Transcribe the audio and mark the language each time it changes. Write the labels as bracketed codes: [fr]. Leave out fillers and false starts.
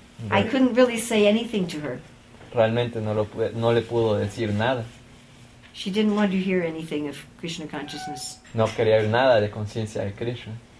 [en] I couldn't really say anything to her. [es] Realmente no le pudo decir nada. [en] She didn't want to hear anything of Krishna consciousness. [es] No quería oír nada de conciencia de Krishna.